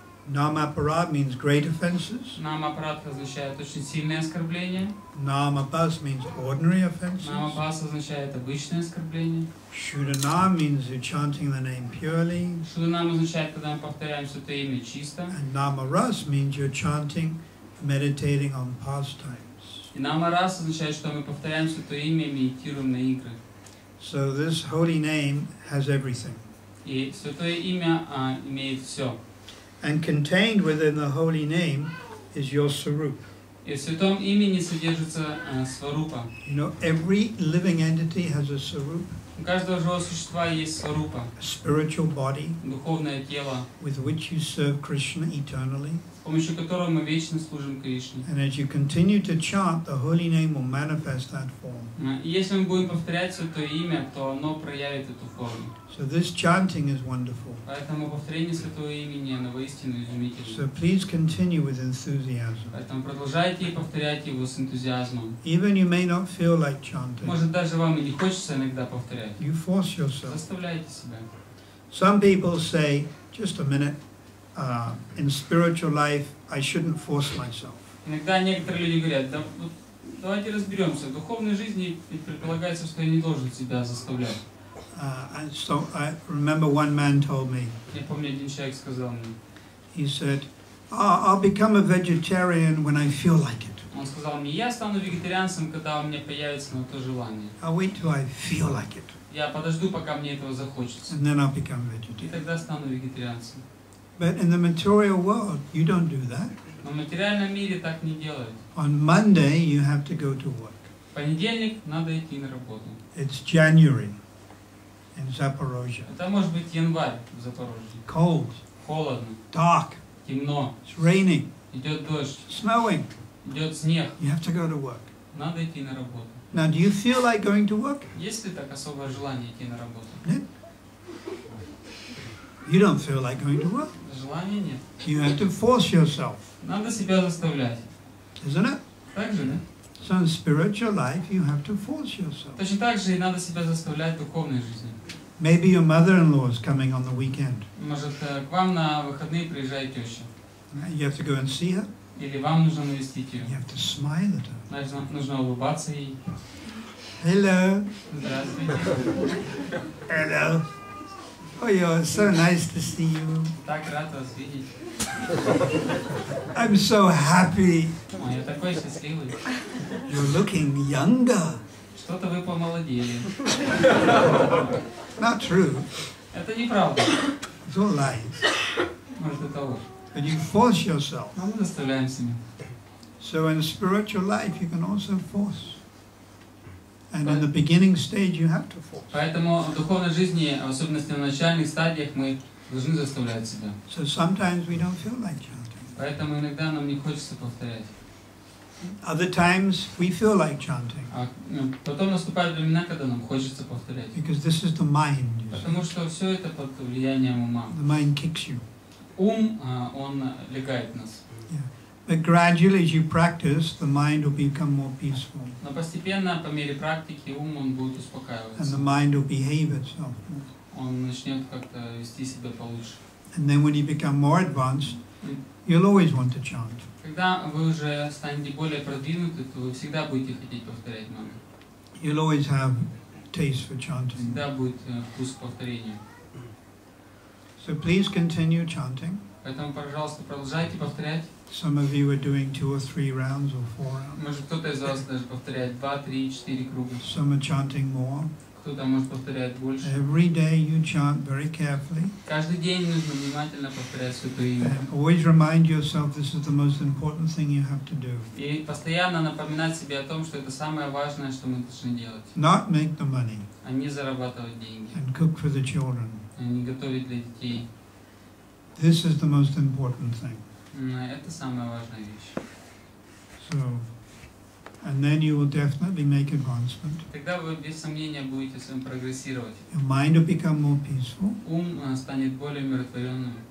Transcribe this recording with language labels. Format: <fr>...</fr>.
<en>Namaparad means great offenses.</en> <ru>Namaparad означает очень сильное оскорбление.</ru> <en>Namabas means ordinary offenses.</en> <ru>Namabas означает обычное оскорбление.</ru> <en>Shudanam means you're chanting the name purely.</en> <ru>Shudanam означает, когда мы повторяем это имя чисто.</ru> <en>And Namaras means you're chanting, meditating on pastimes.</en> <ru>И Namaras означает, что мы повторяем это имя и медитируем на игры.</ru> <en>So this holy name has everything.</en> <ru>И святое имя имеет все.</ru> <en>And contained within the holy name is your swarup.</en> <ru>И в святом имени содержится сварупа.</ru> <en>You know, every living entity has a swarup.</en> <ru>У каждого живого существа есть сварупа.</ru> <en>A spiritual body.</en> <ru>Духовное тело.</ru> <en>With which you serve Krishna eternally.</en> <ru>С помощью которого мы вечно служим Кришне.</ru> <en>And as you continue to chant, the holy name will manifest that form.</en> <ru>И если мы будем повторять святое имя, то оно проявит эту форму.</ru> <en>So this chanting is wonderful.</en> <ru>Поэтому повторение святого имени, оно воистину изумительно.</ru> <en>So please continue with enthusiasm.</en> <ru>Поэтому продолжайте и повторяйте его с энтузиазмом.</ru> <en>Even you may not feel like chanting.</en> <ru>Может даже вам и не хочется иногда повторять.</ru> <en>You force yourself.</en> <ru>Заставляйте себя.</ru> <en>Some people say, just a minute, in spiritual life, I shouldn't force myself.</en> <ru>Иногда некоторые люди говорят, да, вот, давайте разберемся. В духовной жизни предполагается, что я не должен себя заставлять.</ru> <en>So I remember one man told me.</en> <ru>Я помню, один человек сказал мне.</ru> <en>He said, oh, "I'll become a vegetarian when I feel like it."</en> <ru>Он сказал мне, я стану вегетарианцем, когда у меня появится на то желание.</ru> <en>I'll wait till I feel like it.</en> <ru>Я подожду, пока мне этого захочется.</ru> <en>And then I'll become a vegetarian.</en> <ru>И тогда стану вегетарианцем.</ru> <en>But in the material world, you don't do that.</en> <ru>Но в материальном мире так не делают.</ru> <en>On Monday, you have to go to work.</en> <ru>В понедельник надо идти на работу.</ru> <en>It's January. In Zaporozhye.</en> <ru>Это может быть январь в Запорожье.</ru> <en>Cold.</en> <ru>Холодно.</ru> <en>Dark.</en> <ru>Темно.</ru> <en>It's raining.</en> <ru>Идет дождь.</ru> <en>Snowing.</en> <ru>Идет снег.</ru> <en>You have to go to work.</en> <ru>Надо идти на работу.</ru> <en>Now, do you feel like going to work?</en> <ru>Есть ли так особое желание идти на работу? Нет.</ru> <en>You don't feel like going to work.</en> <ru>Желания нет.</ru> <en>You have to force yourself.</en> <ru>Надо себя заставлять.</ru> <en>Isn't it?</en> <ru>Так же, да?</ru> <en>So in spiritual life, you have to force yourself.</en> <ru>Точно так же и надо себя заставлять в духовной жизни.</ru> <en>Maybe your mother-in-law is coming on the weekend.</en> <ru>Может, к вам на выходные приезжает теща.</ru> <en>You have to go and see her.</en> <ru>Или вам нужно навестить ее.</ru> <en>You have to smile at her.</en> <ru>Значит, нужно улыбаться ей.</ru> <en>Hello.</en> <ru>Здравствуйте.</ru> <en>Hello. Oh, you're so nice to see you.</en> <ru>Так рад вас видеть.</ru> <en>I'm so happy.</en> <ru>Ой, я такой счастливый.</ru> <en>You're looking younger.</en> <ru>Что-то вы помолодели.</ru> <en>Not true.</en> <ru>Это неправда.</ru> <en>It's all lies.</en> <ru>Может, это ложь.</ru> <en>But you force yourself.</en> <ru>Но мы заставляем себя.</ru> <en>So in spiritual life, you can also force. And in the beginning stage, you have to force.</en> <ru>Поэтому в духовной жизни, в особенности на начальных стадиях, мы должны заставлять себя.</ru> <en>So sometimes we don't feel like chanting.</en> <ru>Поэтому иногда нам не хочется повторять.</ru> <en>Other times we feel like chanting.</en> <ru>А потом наступают времена, когда нам хочется повторять.</ru> <en>Because this is the mind.</en> <ru>Потому что все это под влиянием ума.</ru> <en>The mind kicks you.</en> <ru>Ум, он легает нас.</ru> <en>But gradually, as you practice, the mind will become more peaceful.</en> <ru>Но постепенно, по мере практики, ум он будет успокаиваться.</ru> <en>And the mind will behave itself.</en> <ru>Он начнет как-то вести себя получше.</ru> <en>And then, when you become more advanced, you'll always want to chant.</en> <ru>Когда вы уже станете более продвинуты, то вы всегда будете хотеть повторять мантру.</ru> <en>You'll always have taste for chanting.</en> <ru>Всегда будет вкус повторения.</ru> <en>So please continue chanting.</en> <ru>Поэтому, пожалуйста, продолжайте повторять.</ru> <en>Some of you are doing 2 or 3 rounds or 4 rounds.</en> <ru>Может кто-то из вас даже повторяет 2, 3, 4 круга.</ru> <en>Some are chanting more.</en> <ru>Кто-то может повторять больше.</ru> <en>Every day you chant very carefully.</en> <ru>Каждый день нужно внимательно повторять святое имя.</ru> <en>And always remind yourself this is the most important thing you have to do.</en> <ru>И постоянно напоминать себе о том, что это самое важное, что мы должны делать.</ru> <en>Not make the money.</en> <ru>А не зарабатывать деньги.</ru> <en>And cook for the children.</en> <ru>А не готовить для детей.</ru> <en>This is the most important thing.</en> <ru>Это самая важная вещь.</ru> <en>So, and then you will definitely make advancement.</en> <ru>Тогда вы без сомнения будете с вами прогрессировать.</ru> <en>Your mind will become more peaceful.</en> <ru>Ум станет более умиротворенным.</ru>